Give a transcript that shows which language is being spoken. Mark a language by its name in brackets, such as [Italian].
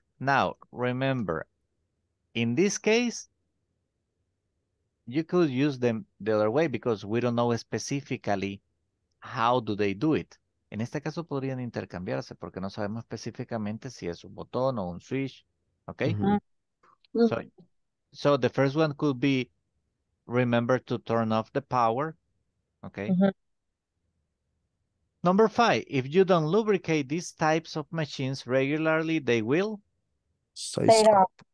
[English] Now remember, in this case you could use them the other way because we don't know specifically how do they do it. [Spanish] En este caso podrían intercambiarse porque no sabemos específicamente si es un botón o un switch. [English] Okay, mm-hmm. So the first one could be remember to turn off the power. Okay. Mm-hmm. Number five, if you don't lubricate these types of machines regularly, they will size up.